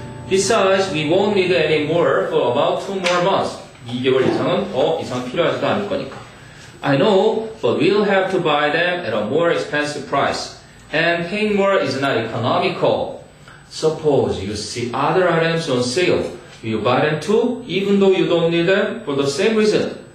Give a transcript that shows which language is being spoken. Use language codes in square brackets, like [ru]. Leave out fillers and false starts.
[en] Besides, we won't need any more for about 2 more months. [ko] 2개월 이상은 더 이상 필요하지도 않을 거니까. [en] I know, but we'll have to buy them at a more expensive price. And paying more is not economical. Suppose you see other items on sale. Will you buy them too, even though you don't need them for the same reason?